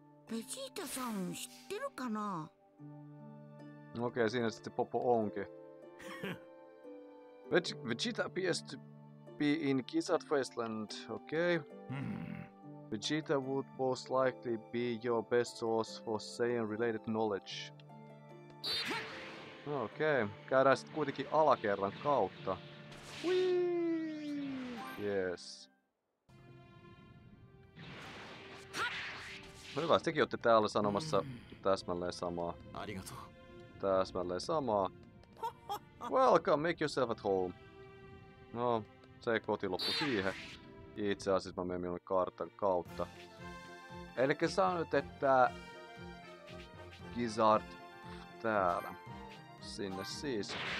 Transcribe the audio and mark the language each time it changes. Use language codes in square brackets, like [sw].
[ja] ベジータさん知ってるかな? [fi] Okei, siinä sitten Popo onkin. [en] Vegeta appears to be in Gizzard Wasteland, okei. Vegeta would most likely be your best source for Saiyan-related knowledge. [fi] Okei, käydään sitten kuitenkin alakerran kautta. [en] Yes. [fi] Hyvä, tekin olette täällä sanomassa täsmälleen samaa. [ja] Arigato. [fi] Täsmälleen samaa. [en] Welcome, make yourself at home. [fi] No, se koti loppui siihen. Itse asiassa mä menen minulle kartan kautta. Elikkä sanot, että... Gizzard täällä. Sinne siis.